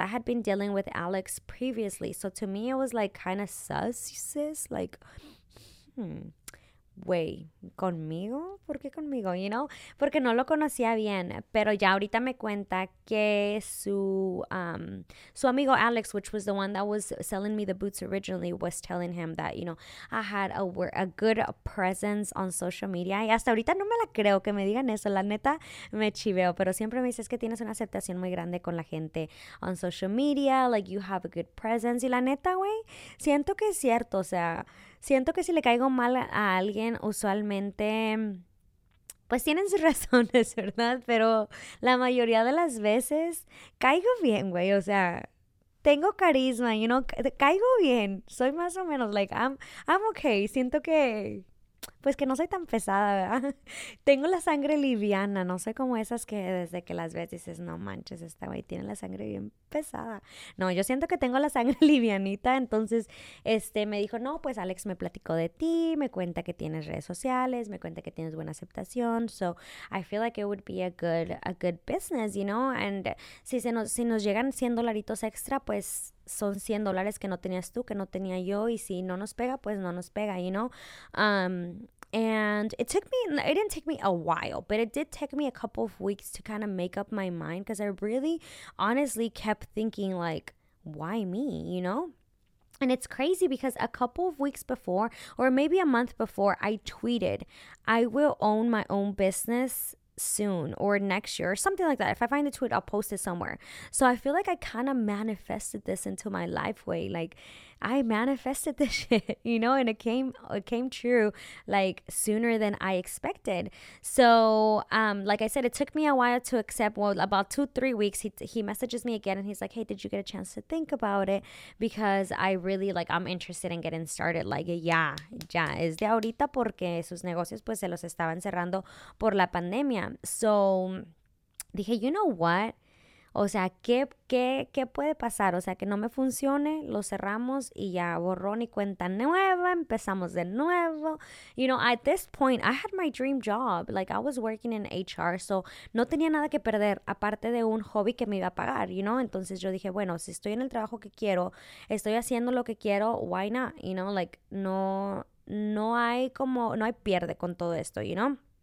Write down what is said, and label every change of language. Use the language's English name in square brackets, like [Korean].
[English] I had been dealing with Alex previously. So to me, it was like kind of sus, sis, like, [Spanish] güey, ¿conmigo? ¿Por qué conmigo? [English] You know, [Spanish] porque no lo conocía bien, pero ya ahorita me cuenta que su amigo Alex, [English] which was the one that was selling me the boots originally, was telling him that, you know, I had a good presence on social media. [Spanish] Y hasta ahorita no me la creo que me digan eso, la neta, me chiveo, pero siempre me dices que tienes una aceptación muy grande con la gente [English] on social media, like, you have a good presence. [Spanish] Y la neta, güey, siento que es cierto. O sea, siento que si le caigo mal a alguien, usualmente, pues tienen sus razones, ¿verdad? Pero la mayoría de las veces, caigo bien, güey. O sea, tengo carisma, you know, caigo bien. Soy más o menos, [English] like, I'm okay. [Spanish] Siento que, pues que no soy tan pesada, ¿verdad? Tengo la sangre liviana. No soy como esas que desde que las ves dices, no manches, esta güey tiene la sangre bien pesada. No, yo siento que tengo la sangre livianita. Entonces, me dijo, no, pues Alex me platicó de ti, me cuenta que tienes redes sociales, me cuenta que tienes buena aceptación. [English] So I feel like it would be a good business, you know? [Spanish] And si nos llegan 100 dolaritos extra, pues son $100 que no tenías tú, que no tenía yo. Y si no nos pega, [English] pues no nos pega, you know? And it didn't take me a while, but it did take me a couple of weeks to kind of make up my mind, because I really honestly kept thinking, like, why me, you know? And it's crazy because a couple of weeks before, or maybe a month before, I tweeted, I will own my own business soon or next year or something like that. If I find the tweet, I'll post it somewhere. So I feel like I kind of manifested this into my life way. Like, I manifested this shit, you know, and it came true like sooner than I expected. So, like I said, it took me a while to accept. Well, about 2-3 weeks, he messages me again and he's like, hey, did you get a chance to think about it? Because I really like, I'm interested in getting started. [Spanish] Like, yeah, ya es de ahorita porque sus negocios pues se los estaban cerrando por la pandemia. So, dije, [English] you know what? [Spanish] O sea, ¿qué puede pasar? O sea, que no me funcione, lo cerramos y ya borrón y cuenta nueva, empezamos de nuevo. [English] You know, at this point, I had my dream job. Like, I was working in HR, [Spanish] so no tenía nada que perder, aparte de un hobby que me iba a pagar, you know? Entonces yo dije, bueno, si estoy en el trabajo que quiero, estoy haciendo lo que quiero, [English] why not? [Spanish] You know, like, no hay pierde con todo esto, you know?